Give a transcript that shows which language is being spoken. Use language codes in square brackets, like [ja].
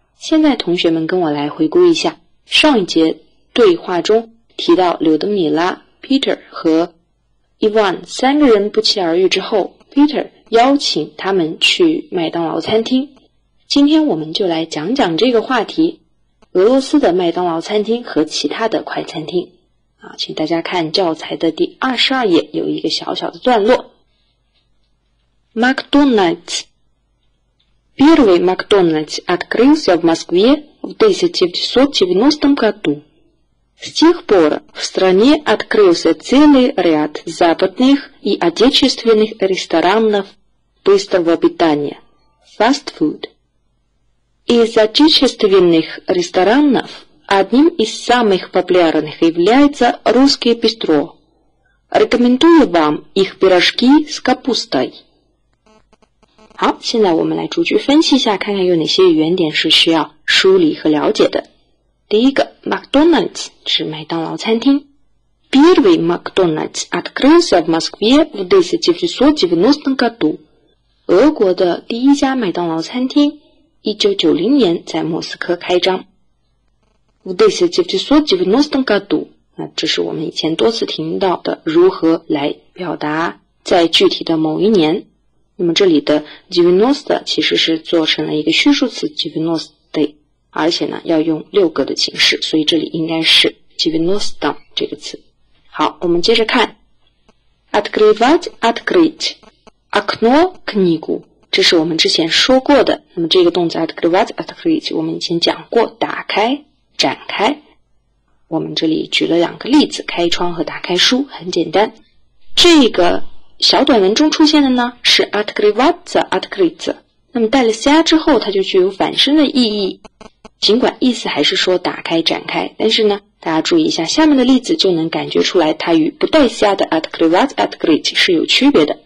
[zh] 现在同学们跟我来回顾一下上一节对话中提到柳德米拉、Peter 和 Ivan 三个人不期而遇之后， Peter 邀请他们去麦当劳餐厅。今天我们就来讲讲这个话题，俄罗斯的麦当劳餐厅和其他的快餐厅。请大家看教材的第22页，有一个小小的段落。 [ru] McDonald's Первый McDonald's открылся в Москве в 1990 году. С тех пор в стране открылся целый ряд западных и отечественных ресторанов, быстрого питания, fast food. Из отечественных ресторанов одним из самых популярных является русское бистро. Рекомендую вам их пирожки с капустой. [zh] 好，现在我们来逐句分析一下，看看有哪些原点是需要梳理和了解的。第一个 ，McDonald's 是麦当劳餐厅。 [ru] Первый McDonald's открылся в Москве в 1990 году. [zh] 俄国的第一家麦当劳餐厅1990年在莫斯科开张。 [ru] В 1990 году. [zh] 那这是我们以前多次听到的如何来表达在具体的某一年。那么这里的 90 其实是做成了一个叙述词 90, 而且呢要用六个的形式，所以这里应该是 90 这个词。好，我们接着看 [ru] открывать, открыть окно, книгу, [zh] 这是我们之前说过的。那么这个动词 открывать, открыть 我们以前讲过，打开展开。我们这里举了两个例子，开窗和打开书，很简单。这个小短文中出现的呢是 открываться, открыться, 那么带了 ca 之后它就具有反身的意义，尽管意思还是说打开展开，但是呢大家注意一下下面的例子就能感觉出来它与不带 ca 的 открываться, открыть 是有区别的。